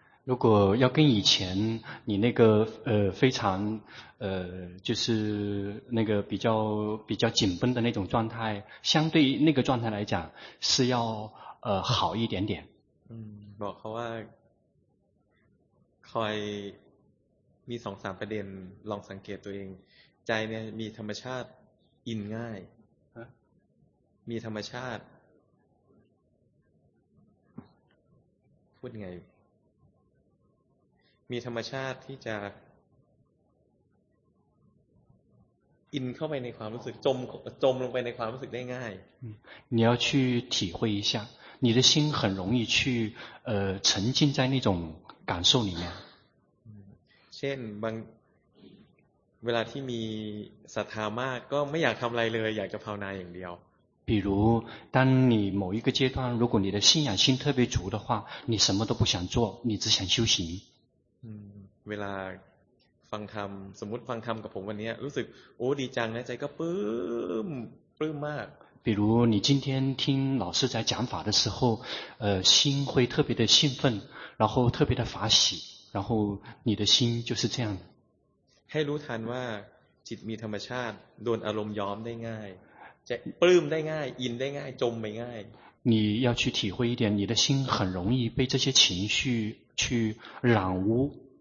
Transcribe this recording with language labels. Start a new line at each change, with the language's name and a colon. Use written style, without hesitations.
Chinese: 如果要跟以前你那个非常就是那个比较紧绷的那种状态，相对那个状态来讲是要好一点点。
Thai: บอกเขาว่าคอยมีสองสามประเด็นลองสังเกตตัวเองใจเนี่ยมีธรรมชาติอินง่ายมีธรรมชาติพูดไงมีธรรมชาติที่จะอินเข้าไปในความรู้สึกจมลงไปในความรู้สึกได้ง่าย
Chinese: 你要去体会一下你的心很容易去沉浸在那种感受里面
Thai: เช่นบางเวลาที่มีศรัทธามากก็ไม่อยากทำอะไรเลยอยากจะภาวนาอย่างเดียว
Chinese: 比如当你某一个阶段如果你的信仰心特别足的话你什么都不想做你只想修行
Thai: เวลาฟังธรรมสมมติฟังธรรมกับผมวันนี้รู้สึกโอ้ดีจังนะใจก็ปลื้มมาก
Chinese: 比如你今天听老师在讲法的时候心会特别的兴奋然后特别的法喜然后你的心就是这样
Thai: ให้รู้ทันว่าจิตมีธรรมชาติโดนอารมณ์ย้อมได้ง่ายจะปลื้มได้ง่ายอินได้ง่ายจมไปง่าย
Chinese: 你要去体会一点你的心很容易被这些情绪去染污